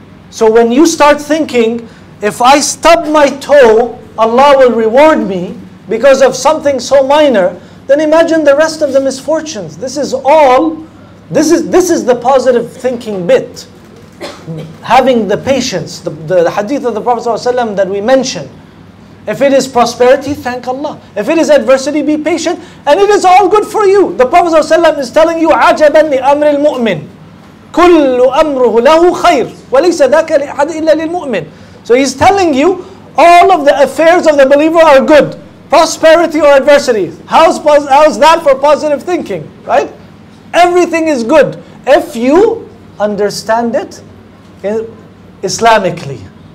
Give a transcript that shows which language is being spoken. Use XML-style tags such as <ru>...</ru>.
<en>So when you start thinking, if I stub my toe, Allah will reward me because of something so minor, then imagine the rest of the misfortunes. This is all, this is the positive thinking bit. Having the patience, the hadith of the Prophet ﷺ that we mentioned. If it is prosperity, thank Allah. If it is adversity, be patient. And it is all good for you. The Prophet ﷺ is telling you,</en> <ar>عَجَبًا لِأَمْرِ الْمُؤْمِنِ كُلُّ أَمْرُهُ لَهُ خَيْرٌ وَلَيْسَ ذَاكَ لِأَحَدٍ إِلَّا لِلْمُؤْمِنِ.</ar> <en>So he's telling you, all of the affairs of the believer are good. Prosperity or adversity. How's that for positive thinking, right? Everything is good. If you understand it Islamically.</en>